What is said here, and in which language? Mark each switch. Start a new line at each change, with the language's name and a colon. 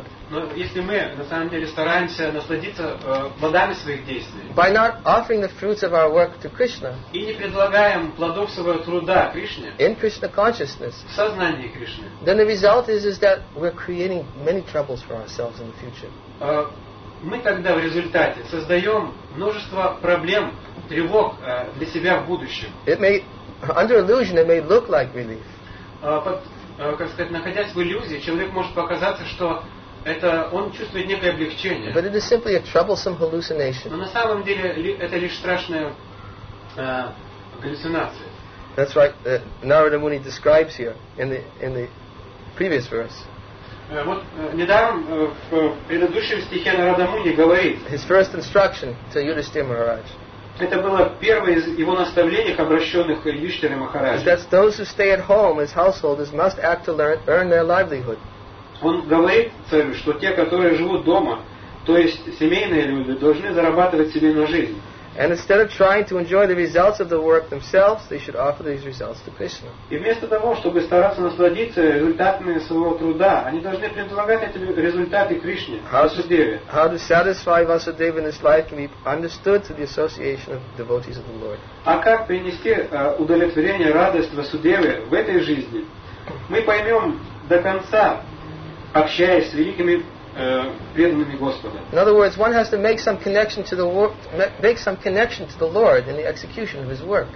Russian: но если мы на самом деле стараемся насладиться плодами своих действий,
English: by not offering the fruits of our work to Krishna,
Russian: и не предлагаем плодов своего труда Кришне,
English: in Krishna consciousness,
Russian: в сознании Кришны,
English: then the result is that we're creating many troubles for ourselves in the future.
Russian: Мы тогда в результате создаем множество проблем, тревог для себя в будущем.
English: It may, under illusion, it may look like relief.
Russian: Как сказать, находясь в иллюзии, человек может показаться, что это он чувствует некое облегчение.
English: But it is simply a troublesome hallucination.
Russian: Но на самом деле это лишь страшная галлюцинация.
English: That's right. Narada Muni describes here in the previous verse.
Russian: Вот недаром в предыдущем стихе Нарада Муни говорит.
English: His first instruction to Yudhishthira Maharaj.
Russian: Это было первое из его наставлений к обращенных к Юдхиштхире Махараджу.
English: That those who stay at home as householders must act to earn their livelihood.
Russian: Он говорит царю, что те, которые живут дома, то есть семейные люди, должны зарабатывать себе на жизнь.
English: And instead of trying to enjoy the results of the work themselves, they should offer these results to Krishna.
Russian: И вместо того, чтобы стараться насладиться результатами своего труда, они должны предлагать эти результаты Кришне, Васудеве.
English: How to satisfy Vasudeva in this life can be understood through the association of devotees of the Lord.
Russian: А как принести удовлетворение, радость Васудеве в этой жизни? Мы поймем до конца, общаясь с великими
English: In other words, one has to make some connection to the work, make some connection to the Lord in the execution of his work.